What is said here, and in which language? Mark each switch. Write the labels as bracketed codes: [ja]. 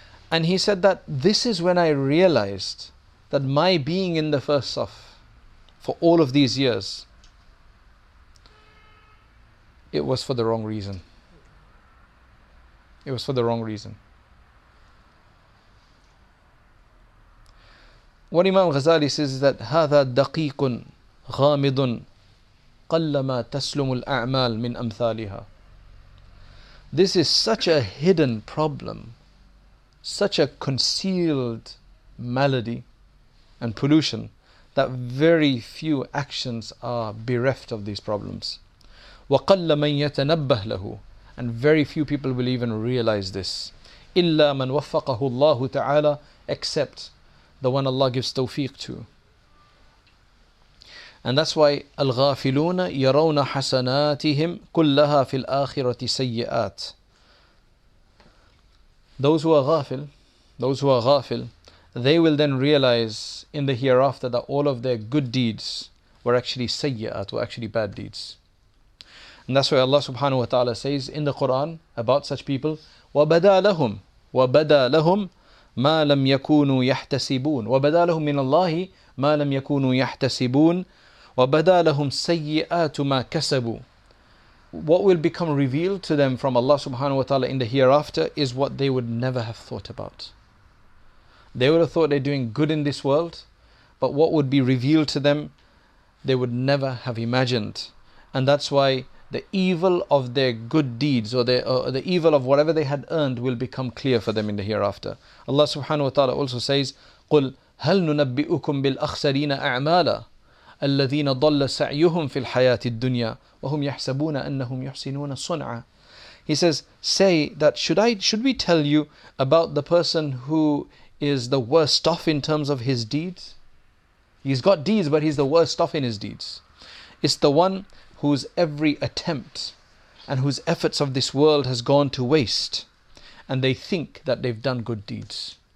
[en] And he said that this is when I realized that my being in the first saf for all of these years, it was for the wrong reason. It was for the wrong reason. What Imam Ghazali says is that [ar] هَذَا دَقِيقٌ غَامِضٌ قَلَّمَا تَسْلُمُ الْأَعْمَالِ مِنْ أَمْثَالِهَا. [en] This is such a hidden problem, such a concealed malady and pollution, that very few actions are bereft of these problems. [ar] وَقَلَّ مَنْ يَتَنَبَّهْ لَهُ. [en] And very few people will even realize this. [ar] إِلَّا مَنْ وَفَّقَهُ اللَّهُ تَعَالَى. [en] Except the one Allah gives tawfiq to. And that's why [ar] الْغَافِلُونَ يَرَوْنَ حَسَنَاتِهِمْ كُلَّهَا فِي الْآخِرَةِ سَيِّئَاتِ. [en] Those who are ghafil, they will then realize in the hereafter that all of their good deeds were actually sayyat, were actually bad deeds. And that's why Allah subhanahu wa ta'ala says in the Quran about such people, [ar] وَبَدَى لَهُمْ وَبَدَى لَهُمْ مَا لَمْ يَكُونُوا يَحْتَسِبُونَ وَبَدَى لَهُمْ مِنَ اللَّهِ مَا لَمْ يَكُونُوا يَحْتَسِبُونَ وَبَدَى لَهُمْ سَيِّئَاتُ مَا كَسَبُوا. [en] What will become revealed to them from Allah subhanahu wa ta'ala in the hereafter is what they would never have thought about. They would have thought they're doing good in this world, but what would be revealed to them, they would never have imagined. And that's why the evil of their good deeds or the evil of whatever they had earned will become clear for them in the hereafter. Allah subhanahu wa ta'ala also says, [ar] قُلْ هَلْ نُنَبِّئُكُمْ بِالْأَخْسَرِينَ أَعْمَالًا الَّذِينَ ضَلَّ سَعْيُهُمْ فِي الْحَيَاةِ الدُّنْيَا وَهُمْ يَحْسَبُونَ أَنَّهُمْ يُحْسِنُونَ صُنْعًا. [en] He says, say that should we tell you about the person who is the worst off in terms of his deeds? He's got deeds, but he's the worst off in his deeds. It's the one whose every attempt and whose efforts of this world has gone to waste, and they think that they've done good deeds.